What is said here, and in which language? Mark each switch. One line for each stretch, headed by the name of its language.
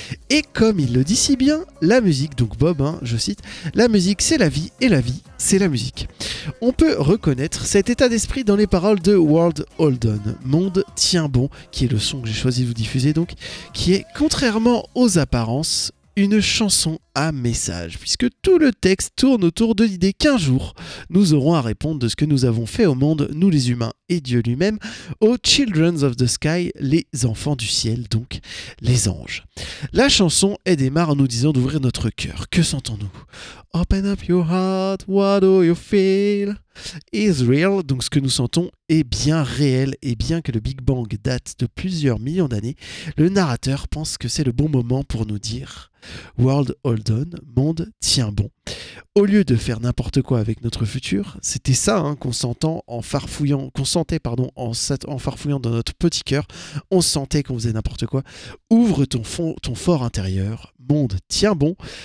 French: Et comme il le dit si bien, la musique, donc Bob, hein, je cite, « La musique, c'est la vie, et la vie, c'est la musique. » On peut reconnaître cet état d'esprit dans les paroles de World Hold On, « Monde tient bon », qui est le son que j'ai choisi de vous diffuser, donc, qui est, contrairement aux apparences, une chanson à message, puisque tout le texte tourne autour de l'idée qu'un jour, nous aurons à répondre de ce que nous avons fait au monde, nous les humains et Dieu lui-même, aux Children of the Sky, les enfants du ciel, donc les anges. La chanson est démarre en nous disant d'ouvrir notre cœur. Que sentons-nous ?
English: Open up your heart, what do you feel ? Is real,
French: donc ce que nous sentons est bien réel, et bien que le Big Bang date de plusieurs millions d'années, le narrateur pense que c'est le bon moment pour nous dire World Hold On, monde tient bon. Au lieu de faire n'importe quoi avec notre futur, c'était ça, hein, qu'on sentait en farfouillant dans notre petit cœur, on sentait qu'on faisait n'importe quoi. Ouvre ton fort intérieur, monde tient bon.